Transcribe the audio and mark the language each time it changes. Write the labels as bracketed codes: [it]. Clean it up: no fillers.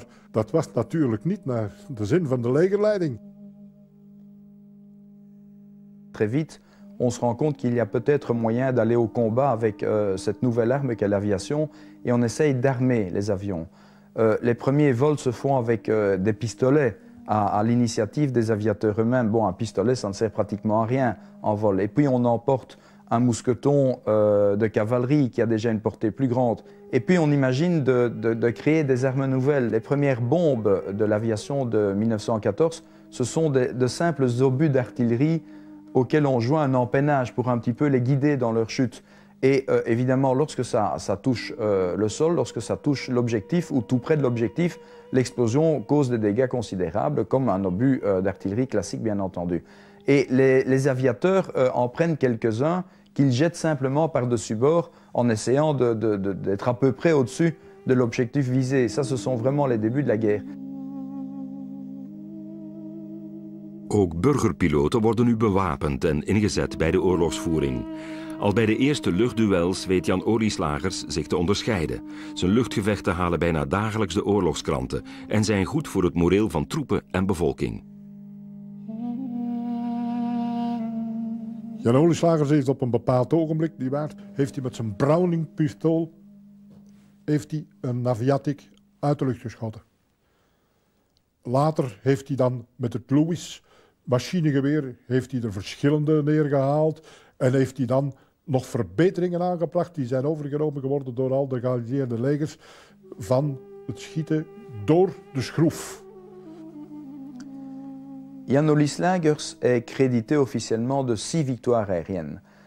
[nl] Dat was natuurlijk niet naar de zin van de legerleiding. [fr] Très vite, on se rend compte qu'il y a peut-être moyen d'aller au combat avec cette nouvelle arme qu'est l'aviation, et on essaye d'armer les avions. Les premiers vols se font avec des pistolets. À l'initiative des aviateurs eux-mêmes. Bon, un pistolet, ça ne sert pratiquement à rien en vol. Et puis on emporte un mousqueton de cavalerie qui a déjà une portée plus grande. Et puis on imagine de créer des armes nouvelles. Les premières bombes de l'aviation de 1914, ce sont de simples obus d'artillerie auxquels on joint un empennage pour un petit peu les guider dans leur chute. Et évidemment, lorsque ça touche le sol, lorsque ça touche l'objectif ou tout près de l'objectif, l'explosion cause des dégâts considérables, comme un obus d'artillerie classique, bien entendu. Et les aviateurs en prennent quelques-uns qu'ils jettent simplement par-dessus bord en essayant d'être à peu près au-dessus de l'objectif visé. Ça, ce sont vraiment les débuts de la guerre. [nl] Ook burgerpiloten worden nu bewapend en ingezet bij de oorlogsvoering. Al bij de eerste luchtduels weet Jan Olieslagers zich te onderscheiden. Zijn luchtgevechten halen bijna dagelijks de oorlogskranten en zijn goed voor het moreel van troepen en bevolking. Jan Olieslagers heeft op een bepaald ogenblik, niet waar, heeft hij met zijn Browning-pistool een Naviatic uit de lucht geschoten. Later heeft hij dan met het Lewis machinegeweer heeft hij er verschillende neergehaald en heeft hij dan nog verbeteringen aangebracht die zijn overgenomen geworden door al de geallieerde legers van het schieten door de schroef. [fr] Jan Olieslagers est crédité officiellement de 6 victoires aériennes.